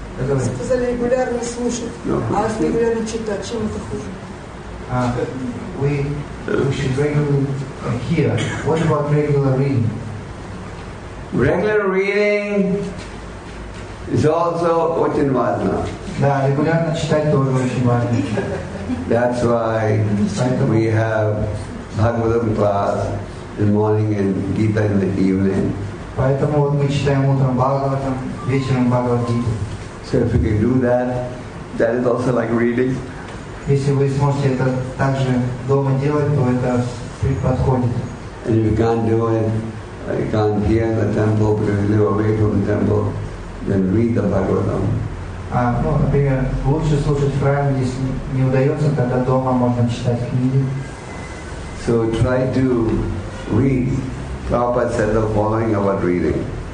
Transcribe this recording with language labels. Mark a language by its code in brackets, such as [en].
[ru] Вы сказали регулярно слушать, а если регулярно читать, чем это хуже? [en] We should regularly hear. What about regular reading? Regular reading is also очень важно. [ru] Да, регулярно читать тоже очень важно. [en] That's why we have Bhagavatam class in the morning and Gita in the evening. [ru] Поэтому мы читаем утром Бхагаватам, вечером Бхагавад-гиту. [en] So if we can do that, that is also like reading. [ru] Если вы сможете это также дома делать, то это подходит. [en] And if you can't do it, you can't hear in the temple, because you live away from the temple, then read the Bhagavatam. [ru] Например, лучше слушать в храме, если не удается, тогда дома можно читать книги. [en] So try to read. Prabhupada said the following about reading.